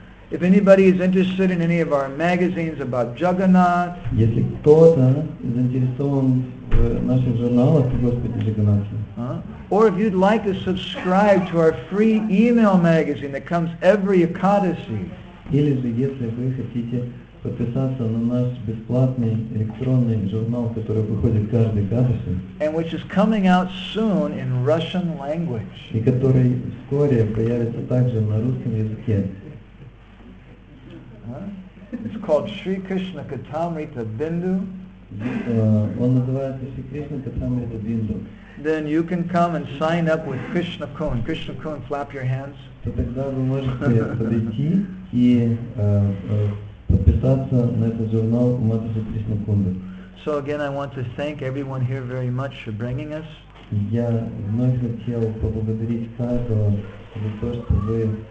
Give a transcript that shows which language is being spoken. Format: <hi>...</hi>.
<en>If anybody is interested in any of our magazines about Jagannath,</en> <ru>если кто-то заинтересован в наших журналах о Господе Джаганнате,</ru> <en>or if you'd like to subscribe to our free email magazine that comes every Ekadasi,</en> <ru>или же если вы хотите подписаться на наш бесплатный электронный журнал, который выходит каждый Экадаси,</ru> <en>and which is coming out soon in Russian language,</en> <ru>и который вскоре появится также на русском языке.</ru> <en>It's called Sri Krishna Kathamrita Bindu.</en> <ru>Он называется Sri Krishna Kathamrita Bindu.</ru> <en>Then you can come and sign up with Krishna Kun. Krishna Kun, flap your hands.</en> <ru>То тогда вы можете подойти и подписаться на этот журнал у Матаджи Кришна Кунда.</ru> <en>So again, I want to thank everyone here very much for bringing us.</en> <ru>Я вновь хотел поблагодарить каждого за то, что вы</ru>